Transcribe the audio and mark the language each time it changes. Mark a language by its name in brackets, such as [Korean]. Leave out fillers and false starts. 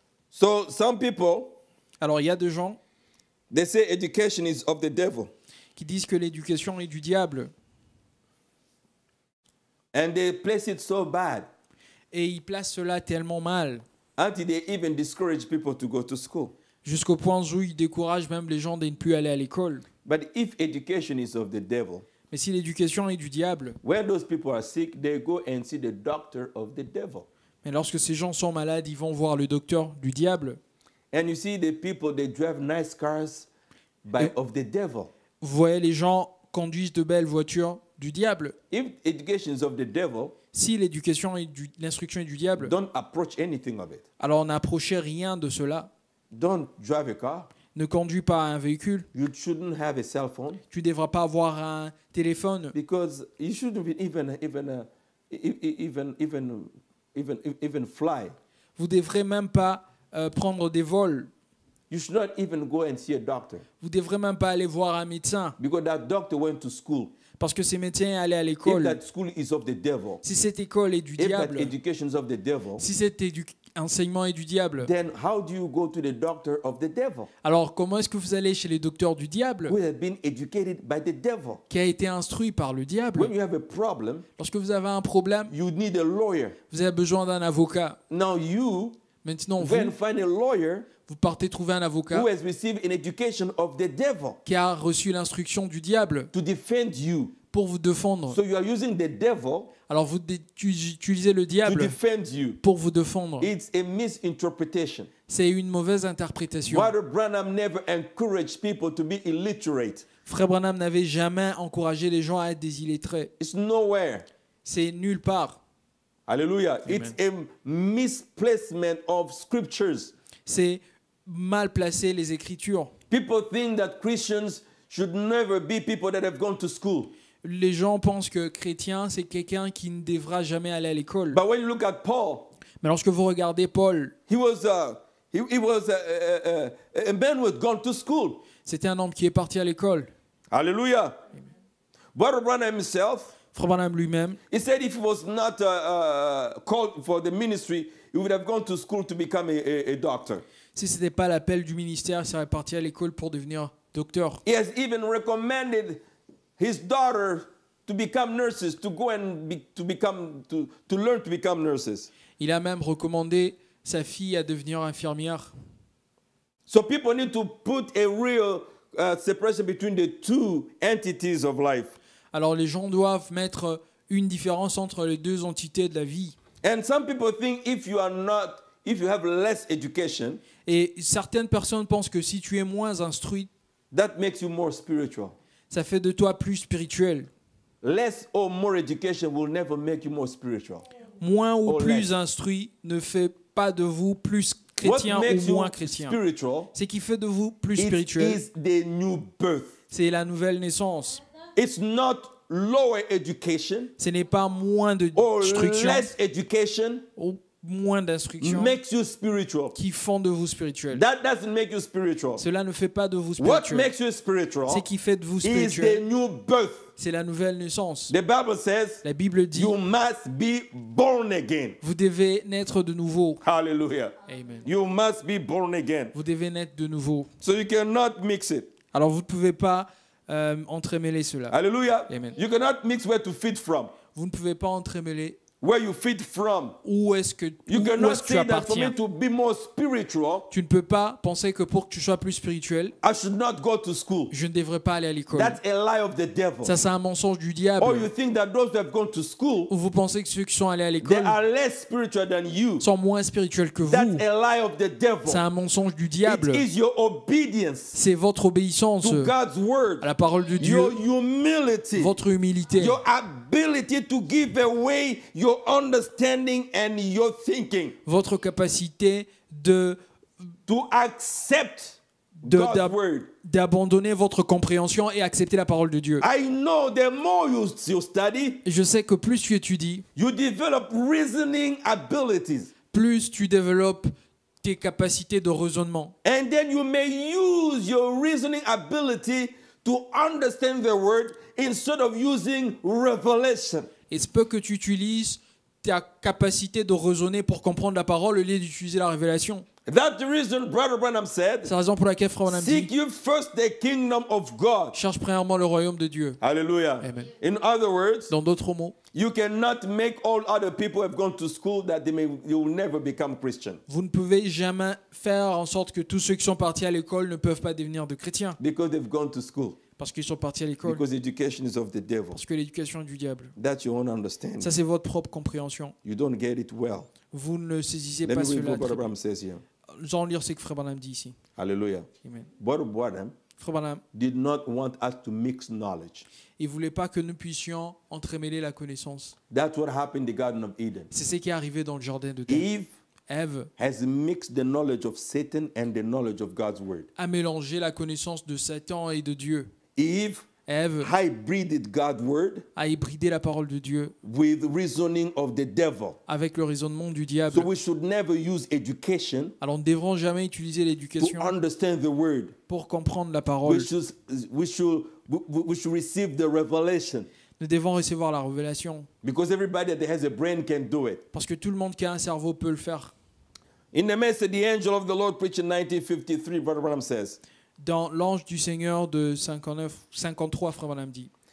[English] So some people. [French] Alors il y a des gens. [English] They say education is of the devil. [French] Qui disent que l'éducation est du diable. [English] And they place it so bad. [French] Et ils placent cela tellement mal. [English] Until they even discourage people to go to school. [French] Jusqu'au point où ils découragent même les gens de ne plus aller à l'école. [English] But if education is of the devil. [French] Mais si l'éducation est du diable, mais lorsque ces gens sont malades, ils vont voir le docteur du diable. [English] And you see the people, they drive nice cars by of the devil. [French] Vous voyez, les gens conduisent de belles voitures du diable. [English] If education is of the devil, [French] si l'éducation est du, l'instruction est du diable, [English] don't approach anything of it. [French] Alors n'approchez rien de cela. [English] Don't drive a car. [French] Ne conduis pas un véhicule. [English] You shouldn't have a cell phone. [French] Tu ne devras pas avoir un téléphone. [English] Because you shouldn't even fly. [French] Vous ne devrez même pas prendre des vols. [English] You should not even go and see a doctor. [French] Vous devrez même pas aller voir un médecin. [English] Because that doctor went to school. [French] Parce que ce médecin est allé à l'école. [English] If that school is of the devil. [French] Si cette école est du [English] if [French] diable. [English] If that education is of the devil. [French] Si cet enseignement est du diable. [English] Then how do you go to the doctor of the devil? [French] Alors comment est-ce que vous allez chez les docteurs du diable? [English] Who have been educated by the devil. [French] Qui a été instruit par le diable. [English] When you have a problem. [French] Lorsque vous avez un problème. [English] You need a lawyer. [French] Vous avez besoin d'un avocat. [English] Now you. [French] Maintenant vous. [English] Then find a lawyer. [French] Vous partez trouver un avocat [English] who has received an education of the devil [French] qui a reçu l'instruction du diable [English] to defend you. [French] Pour vous défendre. [English] So you are using the devil. [French] Alors vous utilisez le diable [English] to defend you. [French] Pour vous défendre. [English] It's a misinterpretation. [French] C'est une mauvaise interprétation. [English] Brother Branham never encouraged people to be illiterate. [French] Frère Branham n'avait jamais encouragé les gens à être des illettrés. [English] It's nowhere. [French] C'est nulle part. [English] Alléluia. It's a misplacement of scriptures. [French] C'est mal placer les écritures. [English] People think that Christians should never be people that have gone to school. [French] Les gens pensent que chrétien c'est quelqu'un qui ne devra jamais aller à l'école. [English] But when you look at Paul, [French] mais lorsque vous regardez Paul, [English] he was a man who had gone to school. [French] C'était un homme qui est parti à l'école. [English] Hallelujah. Brother Branham himself, [French] Frère Branham lui-même, [English] he said if he was not called for the ministry. He would have gone to school to become a doctor. [French] Si ce n'était pas l'appel du ministère, il serait parti à l'école pour devenir docteur. [English] He has even recommended his daughter to become nurses, to go and be, to become to learn to become nurses. [French] Il a même recommandé sa fille à devenir infirmière. [English] So people need to put a real separation between the two entities of life. [French] Alors les gens doivent mettre une différence entre les deux entités de la vie. [English] And some people think if you are not, if you have less education, [French] et certaines personnes pensent que si tu es moins instruit, [English] that makes you more spiritual. [French] Ça fait de toi plus spirituel. [English] Less or more education will never make you more spiritual. [French] Moins ou plus instruit ne fait pas de vous plus chrétien ou moins chrétien. Ce qui fait de vous plus spirituel, [English] it is the new birth. [French] C'est la nouvelle naissance. [English] It's not lower education. [French] Ce n'est pas moins de [English] instruction. Less education. [French] Ou moins d'instruction. [English] Makes you spiritual. [French] Qui font de vous spirituel. [English] That doesn't make you spiritual. [French] Cela ne fait pas de vous spirituel. [English] What makes you spiritual? [French] Ce qui fait de vous spirituel. [English] Is the new birth. [French] C'est la nouvelle naissance. [English] The Bible says. [French] La Bible dit. [English] You must be born again. [French] Vous devez naître de nouveau. [English] Hallelujah. [French] Amen. [English] You must be born again. [French] Vous devez naître de nouveau. [English] So you cannot mix it. [French] Alors vous ne pouvez pas entremêler cela. Alléluia. Amen. [English] You cannot mix where to feed from. [French] Vous ne pouvez pas entremêler. [English] Where you feed from. [French] Où est-ce que tu appartiens. [English] You cannot say that for me to be more spiritual. [French] Tu ne peux pas penser que pour que tu sois plus spirituel. [English] I should not go to school. [French] Je ne devrais pas aller à l'école. [English] That's a lie of the devil. [French] Ça c'est un mensonge du diable. [English] Or you think that those who have gone to school. [French] Ou vous pensez que ceux qui sont allés à l'école. [English] They are less spiritual than you. [French] Sont moins spirituels que vous. [English] That's a lie of the devil. [French] C'est un mensonge du diable. [English] It is your obedience. [French] C'est votre obéissance. [English] To God's word. [French] À la parole de Dieu. [English] Your humility. [French] Votre humilité. [English] Your ability to give away your understanding and your thinking. [French] Votre capacité de [English] to accept God's word. [French] D'abandonner votre compréhension et accepter la parole de Dieu. [English] I know the more you study. [French] Je sais que plus tu étudies, [English] you develop reasoning abilities. [French] Plus tu développes tes capacités de raisonnement. [English] And then you may use your reasoning ability to understand the word instead of using revelation. [French] Et ce peut que tu utilises ta capacité de raisonner pour comprendre la parole au lieu d'utiliser la révélation. [English] That's the reason Brother Branham said. [French] C'est la raison pour laquelle Frère Branham dit. [English] Seek you first the kingdom of God. [French] Cherche premièrement le royaume de Dieu. Alléluia. Amen. [English] In other words. [French] Dans d'autres mots. [English] You cannot make all other people have gone to school that they may you will never become Christian. [French] Vous ne pouvez jamais faire en sorte que tous ceux qui sont partis à l'école ne peuvent pas devenir de chrétiens. [English] Because they've gone to school. [French] Parce qu'ils sont partis à l'école. [English] Because education is of the devil. [French] Parce que l'éducation est du diable. [English] That's your own understanding. [French] Ça c'est votre propre compréhension. [English] You don't get it well. [French] Vous ne saisissez [English] Let [French] pas cela. [English] Let me read what Brother Branham says here. [French] Nous allons lire ce que Frère Branham dit ici. [English] Hallelujah. [French] Amen. [English] Brother Branham did not want us to mix knowledge. [French] Il voulait pas que nous puissions entremêler la connaissance. [English] That's what happened in the Garden of Eden. [French] C'est ce qui est arrivé dans le jardin de Eden. [English] Eve has mixed the knowledge of Satan and the knowledge of God's word. [French] A mélangé la connaissance de Satan et de Dieu. [English] Eve Eve hybrided God's word [French] a hybridé la parole de Dieu [English] with reasoning of the devil. [French] Avec le raisonnement du diable. [English] So we should never use education. [French] Alors nous ne devrons jamais utiliser l'éducation [English] to understand the word. [French] Pour comprendre la parole. [English] We should receive the revelation. [French] Nous devons recevoir la révélation. [English] Because everybody that has a brain can do it. [French] Parce que tout le monde qui a un cerveau peut le faire. [English] In the message, the angel of the Lord preached in 1953, Brother Branham says. [French] Dans l'ange du Seigneur de 53, Frère Branham dit.